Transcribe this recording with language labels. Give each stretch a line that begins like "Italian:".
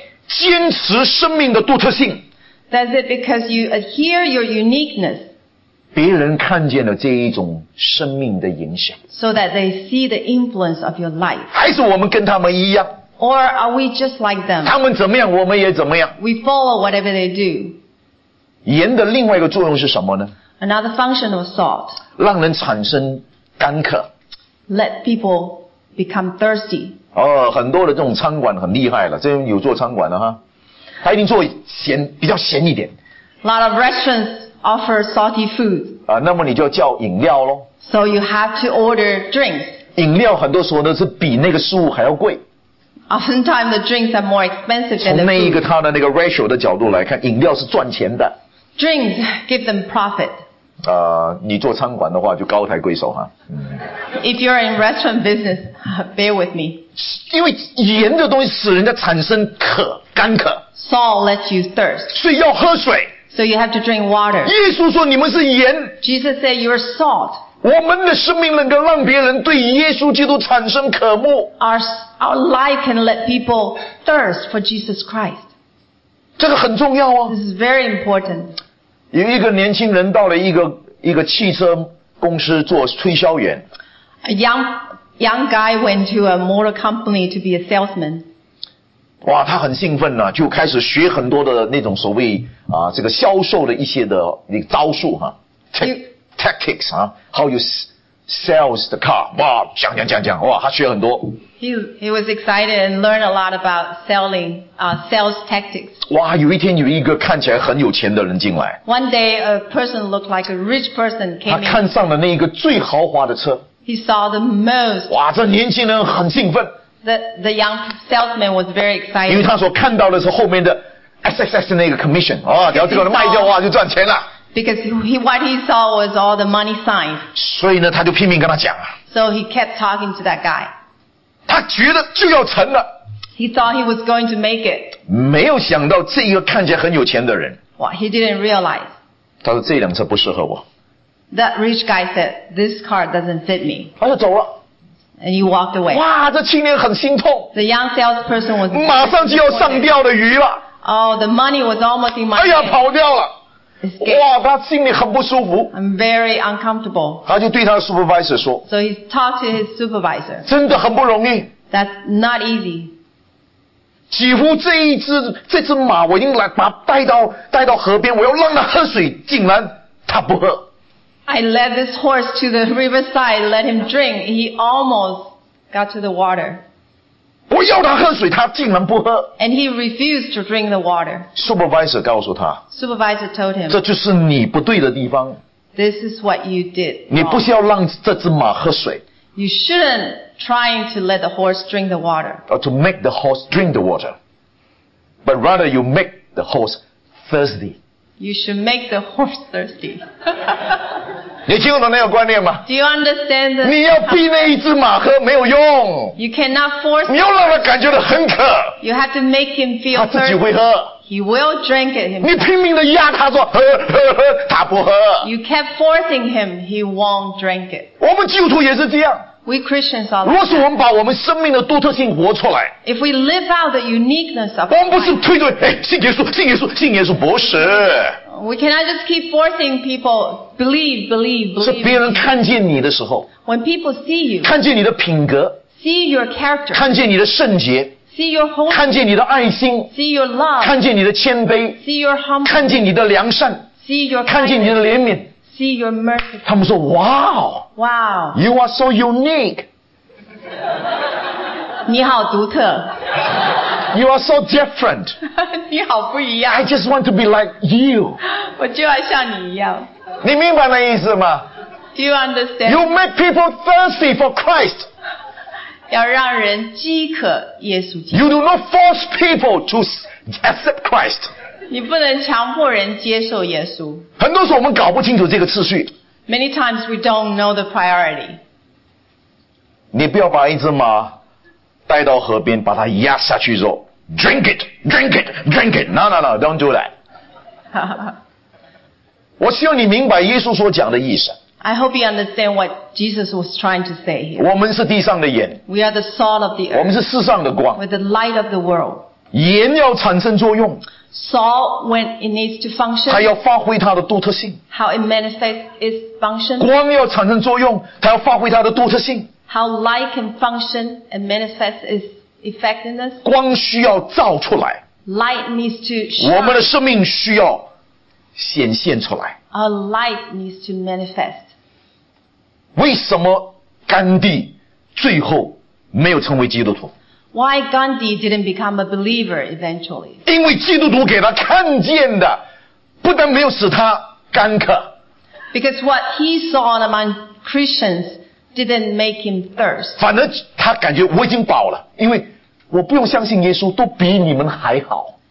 Chinese: 坚持生命的独特性
English: Does it because you adhere your uniqueness?
Chinese: 别人看见了这一种生命的影响。
English: So that they see the influence of your life.
Chinese: 还是我们跟他们一样。
English: Or are we just like them?
Chinese: 他们怎么样我们也怎么样。
English: We follow whatever they do.
Chinese: 盐的另外一个作用是什么呢？
English: Another function of salt.
Chinese: 让人产生干渴。
English: Let people become thirsty.
Chinese: 哦，很多的这种餐馆很厉害了，这边有做餐馆的哈。他一定做咸，比较咸一点。
English: A lot of restaurants. Offer salty food.
Chinese: 啊，那么你就叫饮料咯。
English: So you have to order drinks.
Chinese: 饮料很多时候呢是比那个食物还要贵。
English: Oftentimes the drinks are more expensive than the food.
Chinese: 从那一个它的那个 ratio 的角度来看，饮料是赚钱的。
English: Drinks give them profit.
Chinese: 啊，你做餐馆的话就高抬贵手哈。
English: If you're in restaurant business, bear with me.
Chinese: 因为盐的东西使人家产生渴，干渴。
English: Salt lets you thirst.
Chinese: 所以要喝水。
English: So you have to drink water.
Chinese: 耶稣说你们是盐。
English: Jesus said you are salt.
Chinese: 我们的生命能够让别人对耶稣基督产生渴慕。
English: Our life can let people thirst for Jesus Christ.
Chinese: 这个很重要啊。
English: This is very important.
Chinese: 有一个年轻人到了一个汽车公司做推销员。
English: A young guy went to a motor company to be a salesman.
Chinese: 哇，他很兴奋啊，就开始学很多的那种所谓啊这个销售的一些的那个招数哈、啊、tactics 啊 ,
English: how you sells the car,
Chinese: 哇讲讲讲讲哇他学很多。
English: He was excited and learned a lot about selling, sales tactics.
Chinese: 哇有一天有一个看起来很有钱的人进来。
English: One day, a person looked like a rich person came in.
Chinese: 他看上了那一个最豪华的车。
English: He saw the most.
Chinese: 哇这年轻人很兴奋。
English: The young salesman was very excited.
Chinese: 因为他所看到的是后面的 SSS 的那个 commission, 哇只要这个人卖掉哇就赚钱了。
English: Because what he saw was all the money signs.
Chinese: 所以呢他就拼命跟他讲。
English: So he kept talking to that guy.
Chinese: 他觉得就要成了。
English: He thought he was going to make it.
Chinese: 没有想到这一个看起来很有钱的人。
English: Well, he didn't realize.
Chinese: 他说这辆车不适合我。
English: That rich guy said, this car doesn't fit me.
Chinese: 他就走了。
English: And he walked away.
Chinese: 哇这青年很心痛。
English: The young salesperson was
Chinese: 马上就要上吊的鱼了。
English: Oh, the money was almost in my hand.
Chinese: 哎呀跑掉了。哇他心里很不舒服。
English: I'm very uncomfortable.
Chinese: 他就对他的 supervisor 说。
English: So he talked to his supervisor.
Chinese: 真的很不容易。
English: That's not easy.
Chinese: 几乎这只马我已经来把它带到河边我要让它喝水竟然它不喝。
English: I led this horse to the riverside, let him drink. He almost got to the water.
Chinese: 我要他喝水他竟然不喝。
English: And he refused to drink the water.
Chinese: Supervisor 告诉他。
English: Supervisor told him.
Chinese: 这就是你不对的地方。
English: This is what you did.
Chinese: 你不需要让这只马喝水。
English: You shouldn't trying to let the horse drink the water. Or to make the horse drink the water. But rather you make the horse thirsty. You should make the horse thirsty.
Chinese: 你听懂那个观念吗
English: Do you understand
Chinese: 你要逼那一只马喝没有用
English: you cannot force
Chinese: 你要让他感觉到很渴
English: you have to make him feel
Chinese: 他自己会喝
English: he will drink it
Chinese: 你拼命的压他说喝喝喝他不喝
English: you kept forcing him he won't drink it
Chinese: 我们基督徒也是这样
English: we Christians are
Chinese: 如果是我们把我们生命的独特性活出来
English: if we live out the uniqueness of
Chinese: 我们不是推着、哎、信耶稣信耶稣信耶稣不是
English: We cannot just keep forcing people believe, believe, believe.
Chinese: 是别人看见你的时候。
English: When people see you.
Chinese: 看见你的品格。
English: See your character.
Chinese: 看见你的圣洁。
English: See your holiness.
Chinese: 看见你的爱心。
English: See your love.
Chinese: 看见你的谦卑。
English: See your humble.
Chinese: 看见你的良善。
English: See your kindness.
Chinese: 看见你的怜悯。
English: See your mercy.
Chinese: 他们说 ,Wow!
English: Wow! You are so unique!
Chinese: 你好独特。
English: You are so different.
Chinese: 你好不一样。
English: I just want to be like you.
Chinese: 我就要像你一样。你明白那意思吗
English: ？Do you understand? You make people thirsty for Christ.
Chinese: 要让人饥渴耶稣基督。
English: You do not force people to accept Christ.
Chinese: 你不能强迫人接受耶稣。很多时候我们搞不清楚这个次序。
English: Many times we don't know the priority.
Chinese: 你不要把一只马。带到河边把它压下去说
English: Drink it, drink it, drink it No, no, no, don't do that
Chinese: 我希望你明白耶稣所讲的意思
English: I hope you understand what Jesus was trying to say here
Chinese: 我们是地上的盐
English: We are the salt of the earth
Chinese: 我们是世上的光
English: We're the light of the world
Chinese: 盐要产生作用
English: Salt, when it needs to function
Chinese: 它要发挥它的独特性
English: How it manifests its function
Chinese: 光要产生作用它要发挥它的独特性
English: How light can function and manifest its effectiveness.
Chinese: 光需要照出来。
English: Light needs to shine.
Chinese: 我们的生命需要显现出来。
English: A light needs to manifest.
Chinese: 为什么甘地最后没有成为基督徒？
English: Why Gandhi didn't become a believer eventually?
Chinese: 因为基督徒给他看见的不但没有使他干渴。
English: Because what he saw among Christians didn't make him thirst.
Chinese: 反而他感觉我已经饱了因为我不用相信耶稣都比你们还好。